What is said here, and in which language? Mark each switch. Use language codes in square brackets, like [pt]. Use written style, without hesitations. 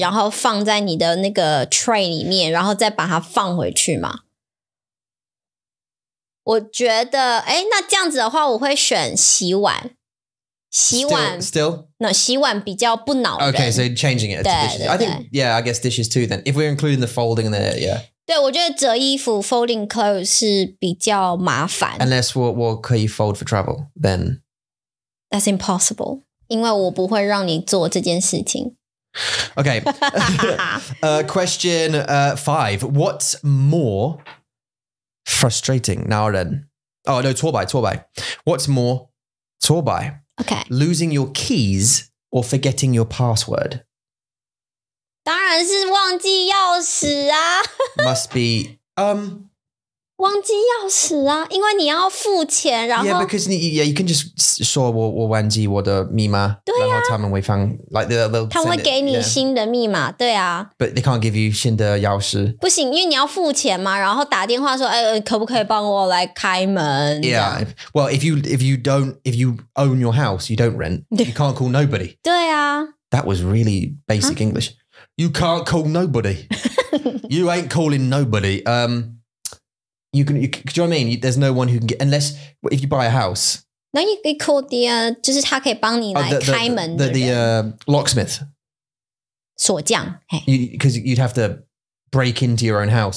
[zh] 然后放在你的那个tray里面 然后再把它放回去嘛我觉得那这样子的话我会选洗碗 [en] 洗碗, still? [zh] No, 洗碗比较不恼人 [en] Okay, so changing it to dishes I think, yeah, I guess dishes too then If we're including the folding in there, yeah [zh] 对,我觉得折衣服 [en] folding clothes [zh] 是比较麻烦 [en] Unless we'll fold for travel, then That's impossible. [zh] 因为我不会让你做这件事情. [en] Okay. question five. What's more frustrating? 拿人?Oh, no, 拖把. What's more 拖把? Okay. Losing your keys or forgetting your password? [zh] 当然是忘记钥匙啊. [en] Must be... [zh] 忘记钥匙啊, 因为你要付钱, 然后, [en] yeah, because you can just show like they'll yeah. But they can't give you [zh] 新的钥匙. 不行, 因为你要付钱嘛, 然后打电话说, 可不可以帮我来开门, [en] yeah. Well, if you own your house, you don't rent. You can't call nobody. [zh] 对啊. [en] That was really basic huh? English. You can't call nobody. You ain't calling nobody. Do you know what I mean? There's no one who can get... Unless... If you buy a house... Then you could call the... [zh] 就是他可以帮你来开门的人 [en] locksmith. [zh] 锁匠. [en] Because you'd have to break into your own house.